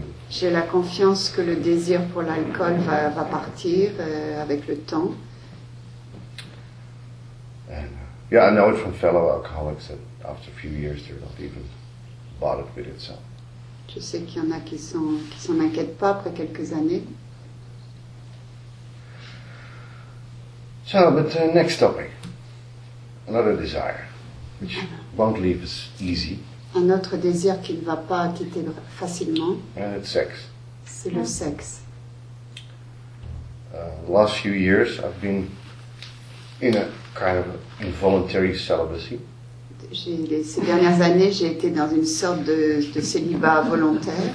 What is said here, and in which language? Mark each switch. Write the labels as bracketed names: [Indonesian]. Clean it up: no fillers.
[French] J'ai la confiance que le désir pour l'alcool va partir avec le temps. [English] And, yeah, I know it from fellow alcoholics that after a few years they're not even bothered with it. So. [French] Je sais qu'il y en a qui s'en inquiètent pas après quelques années. [English] So, but next topic. Another desire, which won't leave us easy. [French] Un autre désir qui ne va pas quitter facilement. [English] And it's sex. [French] C'est le sexe. [English] The last few years, I've been in a kind of involuntary celibacy. [French] Ces dernières années, j'ai été dans une sorte de célibat volontaire.